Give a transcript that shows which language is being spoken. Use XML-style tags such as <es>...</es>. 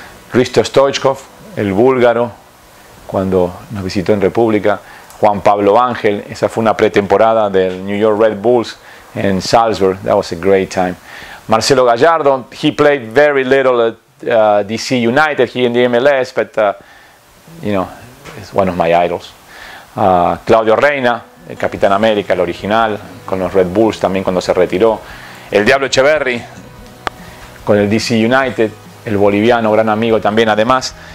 <es>Christo Stoichkov, El Búlgaro, cuando nos visitó en República. Juan Pablo Ángel, esa fue una pretemporada del New York Red Bulls in Salzburg.</es> <en>That was a great time. Marcelo Gallardo, he played very little at DC United, here in the MLS, but, you know, it's one of my idols.</en> <es>Claudio Reyna, el Capitán América, el original, con los Red Bulls también cuando se retiró. El Diablo Echeverri, con el DC United, el boliviano, gran amigo también, además.</es>